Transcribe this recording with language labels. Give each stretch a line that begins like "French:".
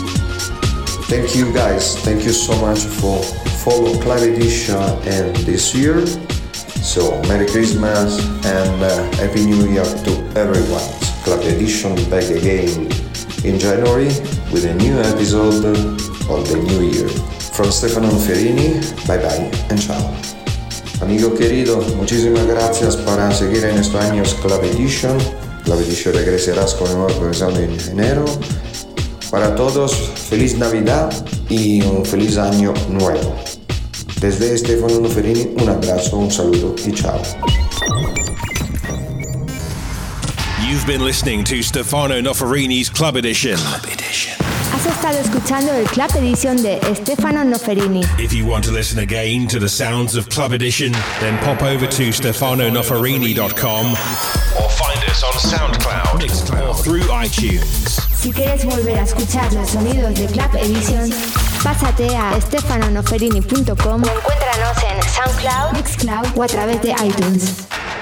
English: Thank you so much for follow Club Edition and this year. So Merry Christmas and Happy New Year to everyone. Club Edition back again in January with a new episode of the new year. From Stefano Ferini, bye bye and ciao.
Spanish: Amigo querido, muchísimas gracias para seguir en estos años Club Edition. Club Edition regresará con una nueva versión en enero. Para todos, feliz Navidad y un feliz año nuevo. Desde Stefano Noferini, un abrazo, un saludo y ciao.
English: You've been listening to Stefano Noferini's Club Edition.
Spanish: Club Edition. Has estado escuchando el Club Edition de Stefano Noferini.
English: If you want to listen again to the sounds of Club Edition, then pop over to StefanoNoferini.com or find it. us on SoundCloud, Mixcloud, or through iTunes.
Spanish: Si quieres volver a escuchar los sonidos de Club Edition, pásate a stefanonoferini.com o encuéntranos en SoundCloud, Mixcloud o a través de iTunes.